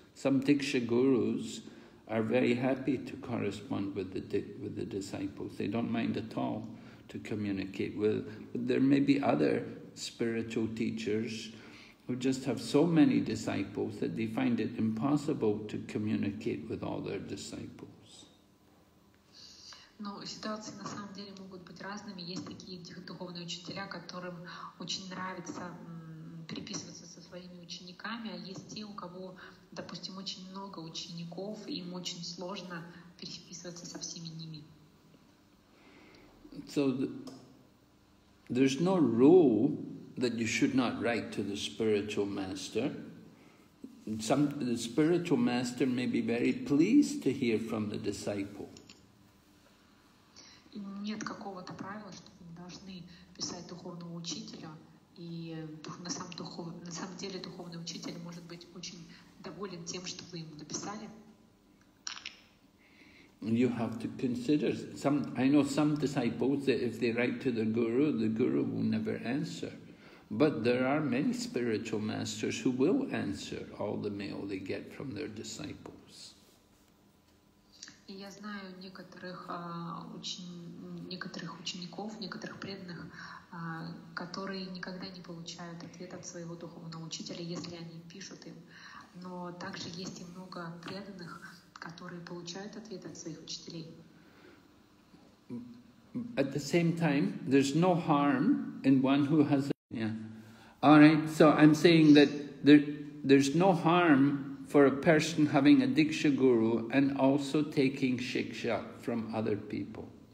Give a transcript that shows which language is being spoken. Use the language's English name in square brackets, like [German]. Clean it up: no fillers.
[English] Some Diksha gurus are very happy to correspond with the disciples. They don't mind at all to communicate with. But there may be other spiritual teachers who just have so many disciples that they find it impossible to communicate with all their disciples. [Russian] Ну, ситуации на самом деле могут быть разными. Есть такие духовные учителя, которым очень нравится переписываться со своими учениками, а есть те, у кого, допустим, очень много учеников, и им очень сложно переписываться со всеми ними. [English] So there's no rule that you should not write to the spiritual master. The spiritual master may be very pleased to hear from the disciple. [Russian] Нет какого-то правила, что вы должны писать духовному учителю, и на самом деле духовный учитель может быть очень доволен тем, что вы ему написали. [English] You have to consider some disciples that if they write to the guru will never answer. But there are many spiritual masters who will answer all the mail they get from their disciples. [Russian] Я знаю некоторых учеников, некоторых преданных, которые никогда не получают ответ от своего духовного учителя, если они пишут им. Но также есть и много преданных, которые получают ответ от своих учителей. [English] At the same time, there's no harm in one who has a... Yeah. All right, so I'm saying that there's no harm for a person having a Diksha Guru and also taking Shiksha from other people.